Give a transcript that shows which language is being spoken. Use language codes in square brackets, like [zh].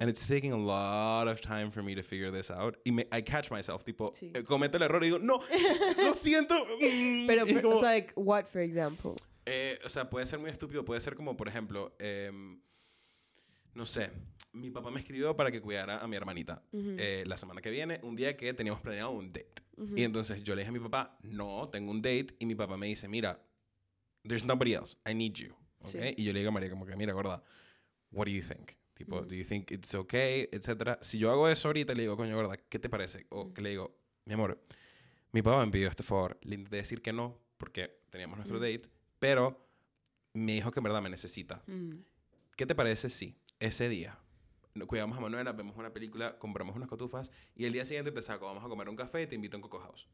[en] And it's taking a lot of time for me to figure this out. Y I catch myself, [es] tipo, sí. Cometo el error y digo, no, lo siento. Pero, [en] it's like, what, for example? [es] O sea, puede ser muy estúpido. Puede ser como, por ejemplo, no sé, mi papá me escribió para que cuidara a mi hermanita. Mm-hmm. La semana que viene, un día que teníamos planeado un date. Mm-hmm. Y entonces yo le dije a mi papá, no, tengo un date. Y mi papá me dice, mira, [en] there's nobody else, I need you. [es] Okay? Sí. Y yo le digo a María, como que, mira, gorda, [en] what do you think? [es] Tipo, [en] mm-hmm. Do you think it's okay, etcétera. [es] Si yo hago eso ahorita, le digo, coño, gorda, ¿qué te parece? O mm-hmm. que le digo, mi amor, mi papá me pidió este favor. Le intenté decir que no, porque teníamos nuestro mm-hmm. date, pero me dijo que en verdad me necesita. Mm-hmm. ¿Qué te parece si ese día cuidamos a Manuela, vemos una película, compramos unas cotufas y el día siguiente te saco, vamos a comer un café y te invito a un Coco House?